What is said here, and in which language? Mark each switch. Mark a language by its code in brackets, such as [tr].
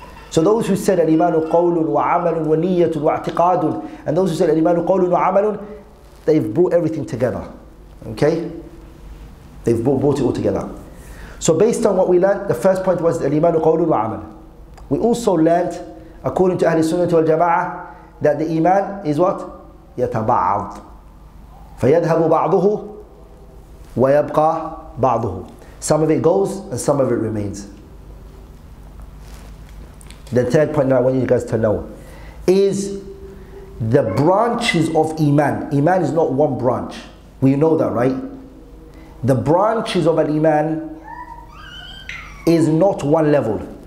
[en] So those who said [ar] al-imanu qawlun wa amalun wa niyatun wa i'tiqadun, [en] and those who said [ar] al-imanu qawlun wa amalun, [en] they've brought everything together. Okay? They've brought it all together. So based on what we learned, the first point was [ar] al-imanu qawlun wa amal. [en] We also learned, according to Ahli Sunnah wal Jama'ah, that the iman is what? [ar] يتبعض فيذهب بعضه ويبقى بعضه. [en] Some of it goes and some of it remains. The third point that I want you guys to know is the branches of iman. Iman is not one branch. We know that, right? The branches of an iman is not one level.